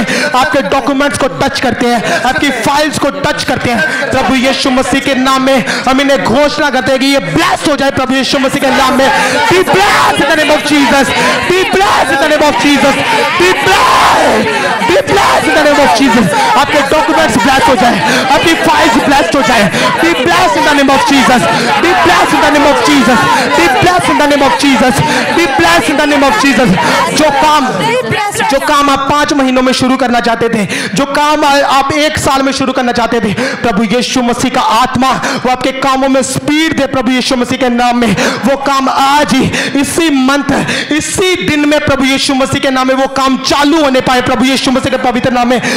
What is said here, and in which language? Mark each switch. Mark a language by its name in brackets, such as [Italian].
[Hindi] आपके डॉक्यूमेंट्स को टच करते हैं, आपकी फाइल्स को टच करते हैं प्रभु यीशु मसीह के नाम में। हम इन्हें घोषणा करते हैं कि ये ब्लेस हो जाए प्रभु यीशु मसीह के नाम में। [English] Be blessed in the name of Jesus, be blessed in the name of Jesus, be blessed, be blessed in the name of Jesus. [Hindi] आपके डॉक्यूमेंट्स ब्लेस हो जाए, आपकी फाइल्स ब्लेस हो जाए। [English] Be blessed in the name of Jesus. Be blessed in the name of Jesus. Be blessed in the name of Jesus. Be blessed in the name of Jesus. [Hindi] जो काम आप 5 महीनों में शुरू करना चाहते थे, जो काम आप 1 साल में शुरू करना चाहते थे, प्रभु यीशु मसीह का आत्मा वो आपके कामों में स्पीड दे प्रभु यीशु मसीह के नाम में। वो काम आज ही इसी मंथ इसी दिन में प्रभु यीशु मसीह के नाम में वो काम चालू होने पाए प्रभु यीशु मसीह के पवित्र नाम में।